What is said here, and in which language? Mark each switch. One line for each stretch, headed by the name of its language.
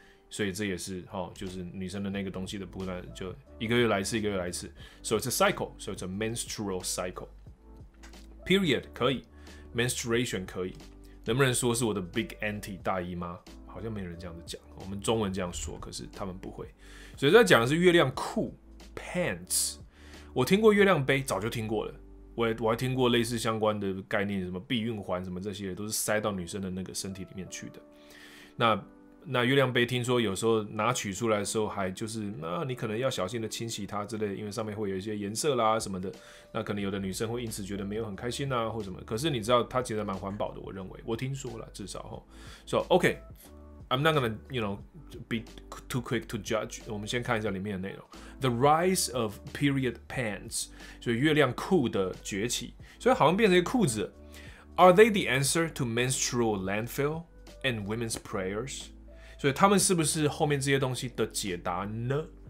Chinese: 所以这也是、哦、就是女生的那个东西的部分，就一个月来一次，一个月来一次。
English: So it's a cycle， so it's a menstrual cycle。
Chinese: period 可以， menstruation 可以，能不能说是我的
English: big auntie
Chinese: 大姨妈？好像没有人这样子讲，我们中文这样说，可是他们不会。所以在讲的是月亮裤 pants。我听过月亮杯，早就听过了，我还听过类似相关的概念，什么避孕环什么这些，都是塞到女生的那个身体里面去的。那月亮杯，听说有时候拿取出来的时候，还就是那你可能要小心的清洗它之类的，因为上面会有一些颜色啦什么的。那可能有的女生会因此觉得没有很开心啊或什么。可是你知道它其实蛮环保的，我认为，我听说了至少哈。
English: So OK， I'm not gonna you know be too quick to judge。
Chinese: 我们先看一下里面的内容。
English: The rise of period pants，
Chinese: 所以月亮裤的崛起，所以好像变成一个裤子。
English: Are they the answer to menstrual landfill and women's prayers？
Chinese: 所以他们是不是后面这些东西的解答呢？